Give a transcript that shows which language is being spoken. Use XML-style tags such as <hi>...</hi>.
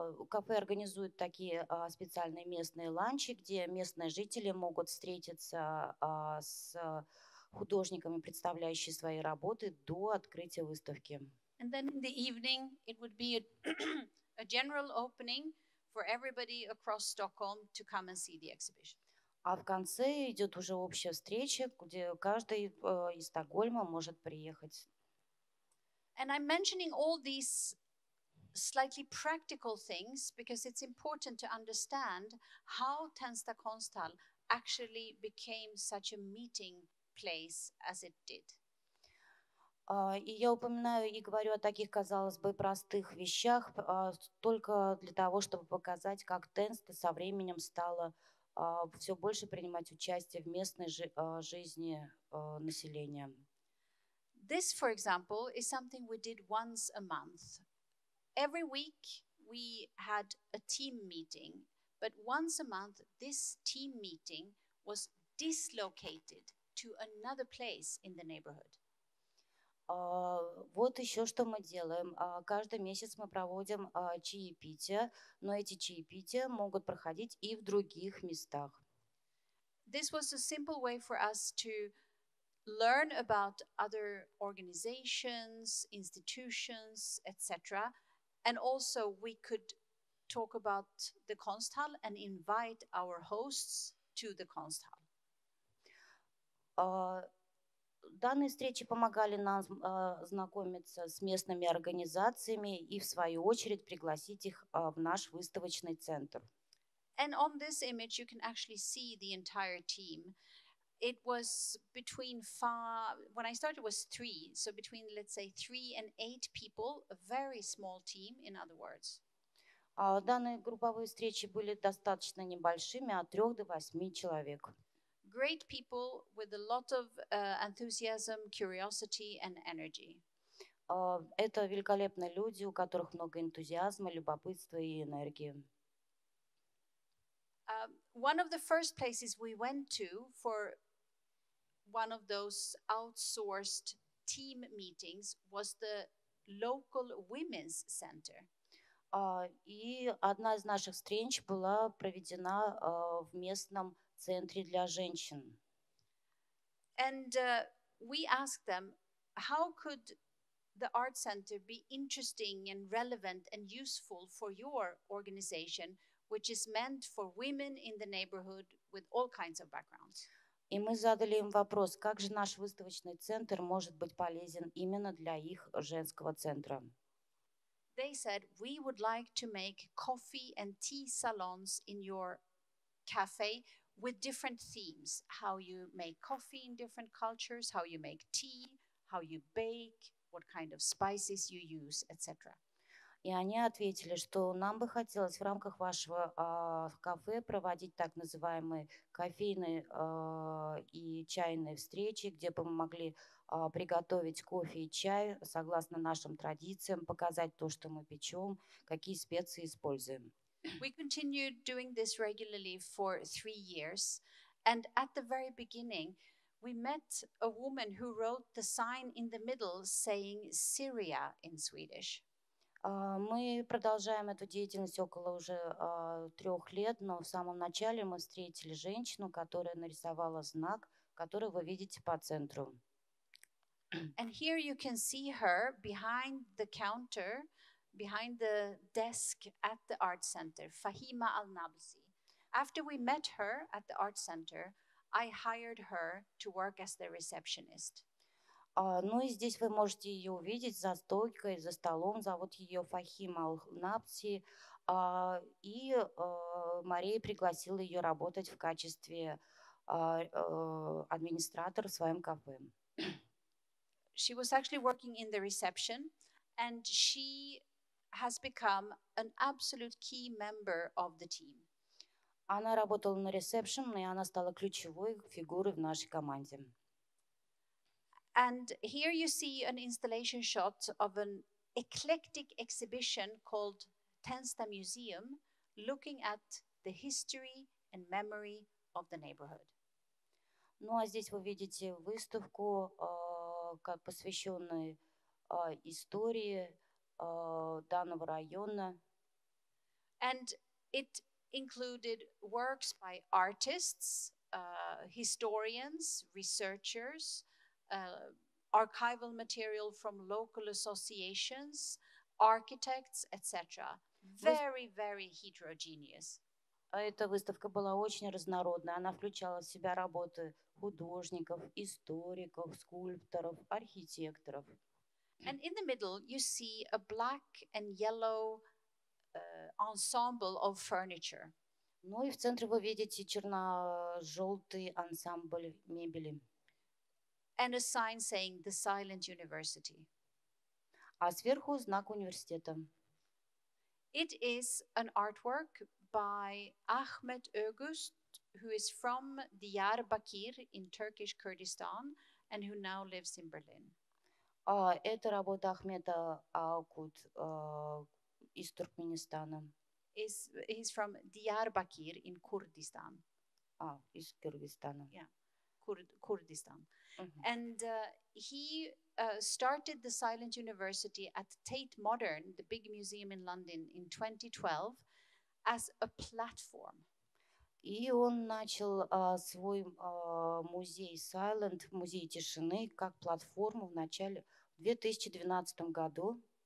<ru>Кафе организует такие специальные местные ланчи, где местные жители могут встретиться с художниками, представляющими свои работы, до открытия выставки.</ru> <en>And then in the evening it would be a general opening for everybody across Stockholm to come and see the exhibition.</en> <ru>А в конце идет уже общая встреча, где каждый из Стокгольма может приехать.</ru> <en>And I'm mentioning all these slightly practical things because it's important to understand how Tensta Konsthall actually became such a meeting place as it did.</en> <ru>И я упоминаю и говорю о таких, казалось бы, простых вещах только для того, чтобы показать, как Тенста со временем стала все больше принимать участие в местной жизни населения.</ru> <en>This, for example, is something we did once a month. Every week we had a team meeting, but once a month this team meeting was dislocated to another place in the neighborhood.</en> <ru>Вот еще что мы делаем. Каждый месяц мы проводим чаепития, но эти чаепития могут проходить и в других местах.</ru> <en>This was a simple way for us to learn about other organizations, institutions, etc. And also we could talk about the Kunsthall and invite our hosts to the Kunsthall.</en> <ru>Данные встречи помогали нам знакомиться с местными организациями и, в свою очередь, пригласить их в наш выставочный центр.</ru> <en>And on this image you can actually see the entire team. It was between five, when I started it was three, so between, let's say, three and eight people, a very small team, in other words.</en> <ru>Данные групповые встречи были достаточно небольшими, от трех до восьми человек.</ru> <en>Great people with a lot of enthusiasm, curiosity and energy.</en> <ru>Это великолепные люди, у которых много энтузиазма, любопытства и энергии.</ru> <en>One of the first places we went to for one of those outsourced team meetings was the local women's center.</en> <ru>И одна из наших встреч была проведена в местном центре для женщин.</ru> <en>And we asked them, how could the art center be interesting and relevant and useful for your organization, which is meant for women in the neighborhood with all kinds of backgrounds?</en> <ru>И мы задали им вопрос, как же наш выставочный центр может быть полезен именно для их женского центра.</ru> <en>They said, we would like to make coffee and tea salons in your cafe with different themes. How you make coffee in different cultures, how you make tea, how you bake, what kind of spices you use, etc.</en> <ru>И они ответили, что нам бы хотелось в рамках вашего кафе проводить так называемые кофейные и чайные встречи, где бы мы могли приготовить кофе и чай согласно нашим традициям, показать то, что мы печем, какие специи используем.</ru> <en>We continued doing this regularly for 3 years, and at the very beginning we met a woman who wrote the sign in the middle saying Syria in Swedish.</en> <ru>Мы продолжаем эту деятельность около уже трех лет, но в самом начале мы встретили женщину, которая нарисовала знак, который вы видите по центру.</ru> <en>And here you can see her behind the counter, behind the desk at the art center, Fahima Al-Nabsi. After we met her at the art center, I hired her to work as the receptionist.</en> <ru>Ну и здесь вы можете ее увидеть за стойкой, за столом. Зовут ее Фахима Напси. И Мария пригласила ее работать в качестве администратор в своем кафе.</ru> <en>She was actually working in the reception, and she has become an absolute key member of the team.</en> <ru>Она работала на ресепшн, и она стала ключевой фигурой в нашей команде.</ru> <en>And here you see an installation shot of an eclectic exhibition called Tenta Museum, looking at the history and memory of the neighborhood.</en> <ru>Ну а здесь вы видите выставку, как посвященную истории данного района.</ru> <en>And it included works by artists, historians, researchers, archival material from local associations, architects, etc. Very, very heterogeneous.</en> <ru>Эта выставка была очень разнородной. Она включала в себя работы художников, историков, скульпторов, архитекторов.</ru> <en>And in the middle you see a black and yellow ensemble of furniture.</en> <ru>Ну и в центре вы видите черно-желтый ансамбль мебели.</ru> <en>And a sign saying the Silent University.</en> <ru>А сверху знак университета.</ru> <en>It is an artwork by Ahmet Ögüst, who is from Diyarbakir in Turkish Kurdistan and who now lives in Berlin.</en> <ru>Эта работа Ахмета Акут из Туркменистана.</ru> <en>He's from Diyarbakir in Kurdistan.</en> <ru>Из Кыргызстана.</ru> <en>Yeah, Kurdistan. Mm-hmm. And he started the Silent University at Tate Modern, the big museum in London, in 2012, as a platform.</en> <ru>И он начал свой музей Silent, музей тишины, как платформу в начале 2012 году.</ru>